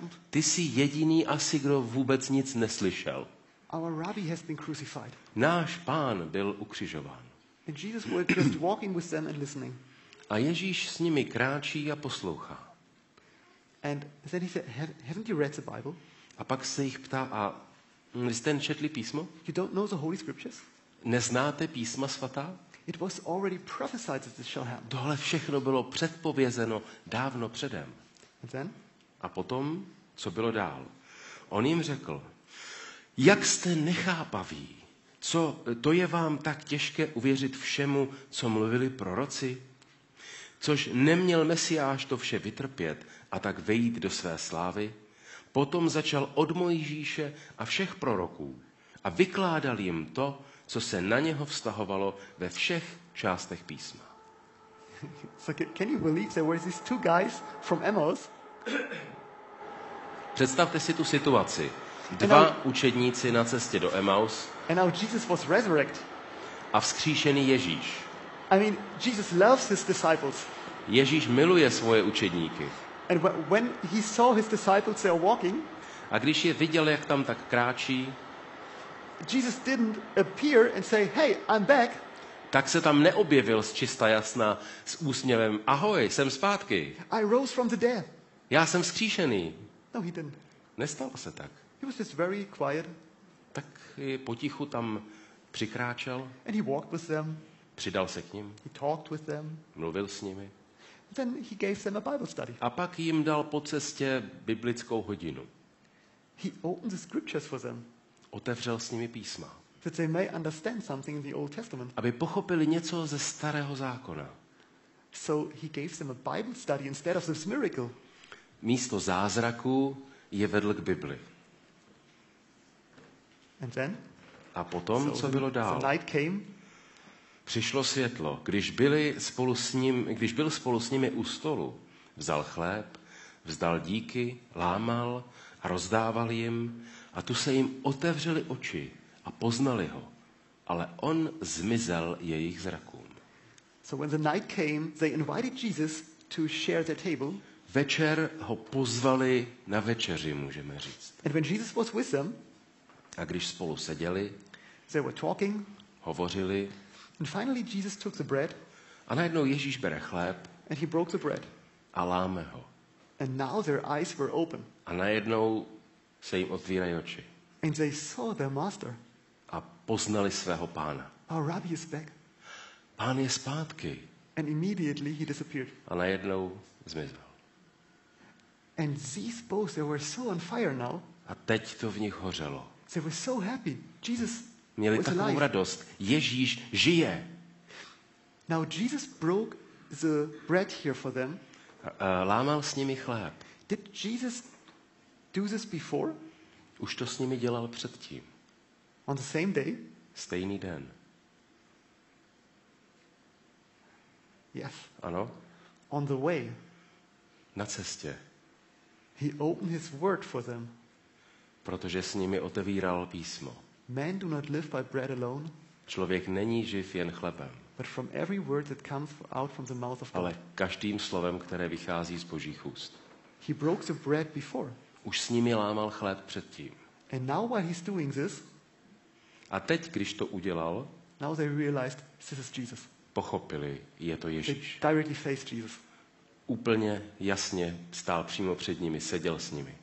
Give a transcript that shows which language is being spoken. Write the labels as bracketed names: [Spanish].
[Czech] ty jsi jediný asi, kdo vůbec nic neslyšel. [English] Our rabbi has been crucified. [Czech] Náš pán byl ukřižován. [English] And Jesus was just walking with them and listening. [Czech] A Ježíš s nimi kráčí a poslouchá. [English] And then he said, haven't you read the Bible? [Czech] A pak se jich ptá, a vy jste četli písmo? [English] You don't know the Holy Scriptures? [Czech] Neznáte písma svatá? [English] It was already prophesied that this shall happen. [Czech] Tohle všechno bylo předpovězeno dávno předem. [English] And then? [Czech] A potom, co bylo dál? On jim řekl, jak jste nechápaví, co to je vám tak těžké uvěřit všemu, co mluvili proroci? Což neměl Mesiáš to vše vytrpět a tak vejít do své slávy? Potom začal od Mojžíše a všech proroků a vykládal jim to, co se na něho vztahovalo ve všech částech písma. [English] So can you believe there were these two guys from Emmaus? [Czech] Představte si tu situaci. Dva učedníci na cestě do Emmaus. [English] And now Jesus was resurrected. [Czech] A vzkříšený Ježíš. [English] I mean, Jesus loves his disciples. [Czech] Ježíš miluje svoje učedníky. [English] And when he saw his disciples there walking, [Czech] a když je viděl, jak tam tak kráčí, [English] Jesus didn't appear and say, "Hey, I'm back." [Czech] Tak se tam neobjevil zčista jasna s úsměvem. Ahoj, jsem zpátky. [English] I rose from the dead. [Czech] Já jsem vzkříšený. [English] No, he didn't. [Czech] Nestalo se tak. [English] He was just very quiet. [Czech] Tak potichu tam přikráčel. [English] And he walked with them. [Czech] Přidal se k ním. [English] He talked with them. [Czech] Mluvil s nimi. [English] Then he gave them a Bible study. [Czech] A pak jim dal po cestě biblickou hodinu. [English] He opened the scriptures for them. [Czech] Otevřel s nimi písma. [English] That they may understand something in the Old Testament. [Czech] Aby pochopili něco ze Starého zákona. [English] So he gave them a Bible study instead of this miracle. [Czech] Místo zázraku je vedl k Bibli. [English] And then? [Czech] A potom, [English] so [Czech] co bylo dál? [English] The night came. [Czech] Přišlo světlo. Když byl spolu s nimi u stolu, vzal chléb, vzdal díky, lámal a rozdával jim. A tu se jim otevřeli oči a poznali ho, ale on zmizel jejich zrakům. [English] So when the night came, they invited Jesus to share their table. [Czech] Večer ho pozvali na večeři, můžeme říct. [English] And when Jesus was with them, [Czech] a když spolu seděli, [English] they were talking, [Czech] hovořili, [English] and finally Jesus took the bread, [Czech] a najednou Ježíš bere chléb, [English] and he broke the bread, [Czech] a láme ho. [English] And now their eyes were open. [Czech] A najednou se jim otvírají oči. [English] And they saw their master. [Czech] A poznali svého pána. [English] Our rabbi is back. [Czech] Pán je zpátky. [English] And immediately he disappeared. [Czech] A najednou zmizel. [English] And these both, they were so on fire now. [Czech] A teď to v nich hořelo. [English] They were so happy. Jesus [Czech] měli takovou [English] alive. [Czech] Radost. Ježíš žije. [English] Now Jesus broke the bread here for them. [Czech] Lámal s nimi chléb. [English] Did Jesus do this before? [Czech] Už to s nimi dělal předtím. [English] On the same day? [Czech] Stejný den. [English] Yes. [Czech] Ano. [English] On the way. [Czech] Na cestě. [English] He opened his word for them. [Czech] Protože s nimi otevíral písmo. [English] Man do not live by bread alone. [Czech] Člověk není živ jen chlebem. [English] But from every word that comes out from the mouth of God. [Czech] Ale každým slovem, které vychází z Božích úst. [English] He broke the bread before. [Czech] Už s nimi lámal chléb předtím. [English] And now while he's doing this, [Czech] a teď, když to udělal, [English] now they realized this is Jesus. [Czech] Pochopili, je to Ježíš. [English] They directly faced Jesus. [Czech] Úplně jasně stál přímo před nimi, seděl s nimi.